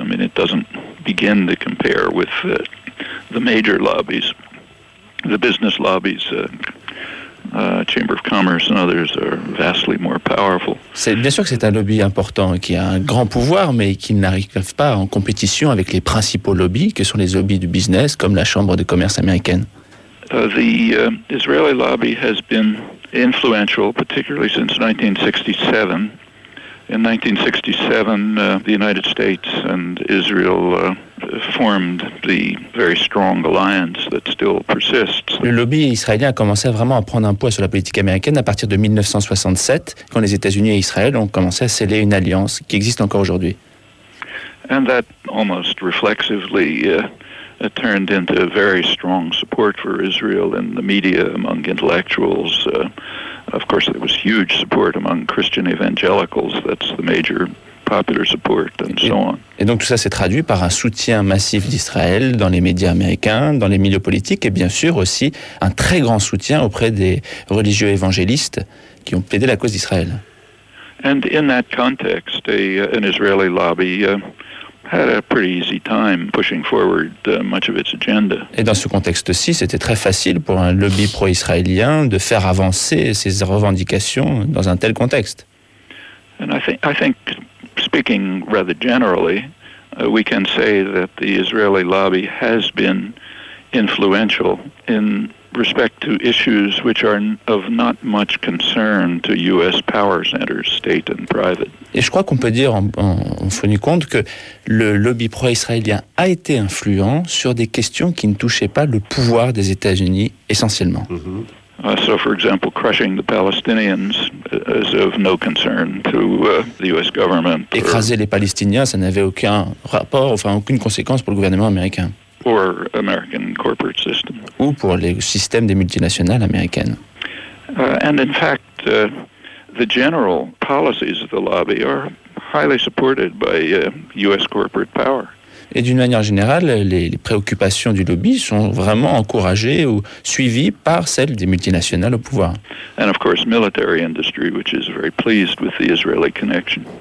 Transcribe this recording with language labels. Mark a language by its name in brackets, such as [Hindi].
[English] I mean, it doesn't begin to compare with the major lobbies. The business lobbies, Chamber of Commerce and others are vastly more powerful. [French] C'est bien sûr que c'est un lobby important qui a un grand pouvoir, mais qui n'arrive pas en compétition avec les principaux lobbies, que sont les lobbies du business, comme la Chambre de commerce américaine. [English] The Israeli lobby has been influential, particularly since 1967. In 1967, the United States and Israel formed the very strong alliance that still persists. [French] Le lobby israélien a commencé vraiment à prendre un poids sur la politique américaine à partir de 1967, quand les États-Unis et Israël ont commencé à sceller une alliance qui existe encore aujourd'hui. [English] And that almost reflexively turned into very strong support for Israel in the media among intellectuals. Of course, there was huge support among Christian evangelicals. That's the major popular support, and so on. [French] Et donc tout ça s'est traduit par un soutien massif d'Israël dans les médias américains, dans les milieux politiques, et bien sûr aussi un très grand soutien auprès des religieux évangélistes qui ont plaidé la cause d'Israël. [English] And in that context, an Israeli lobby had a pretty easy time pushing forward much of its agenda. [French] Et dans ce contexte-ci, c'était très facile pour un lobby pro-israélien de faire avancer ses revendications dans un tel contexte. [English] And I think speaking rather generally, we can say that the Israeli lobby has been influential in respect to issues which are of not much concern to U.S. power centers, state and private. [French] Et je crois qu'on peut dire, en fin de compte, que le lobby pro-israélien a été influent sur des questions qui ne touchaient pas le pouvoir des États-Unis essentiellement. Mm-hmm. [English] So, for example, crushing the Palestinians is of no concern to the U.S. government. [French] Écraser les Palestiniens, ça n'avait aucun rapport, enfin aucune conséquence pour le gouvernement américain. [English] Or American corporate system. [French] Ou pour les systèmes des multinationales américaines. [English] And in fact, the general policies of the lobby are highly supported by U.S. corporate power. [French] Et d'une manière générale, les préoccupations du lobby sont vraiment encouragées ou suivies par celles des multinationales au pouvoir. [English] And of course, military industry, which is very pleased with the Israeli connection.